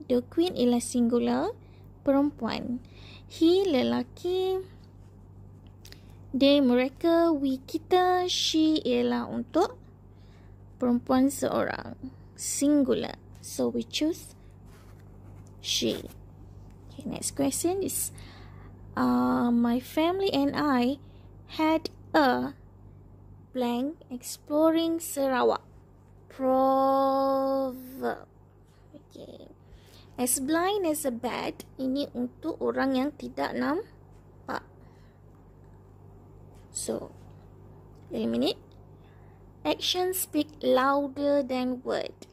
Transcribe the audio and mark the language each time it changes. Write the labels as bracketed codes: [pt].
[en] The queen ialah singular, perempuan. He, lelaki. [ms] They, mereka. We, kita. She ialah untuk perempuan seorang. [en] Singular. So, we choose she. Okay, next question is, my family and I had a blank exploring Sarawak. Proverb. Okay. As blind as a bat, [ms] ini untuk orang yang tidak nampak. [en] So, eliminate. Action speak louder than word.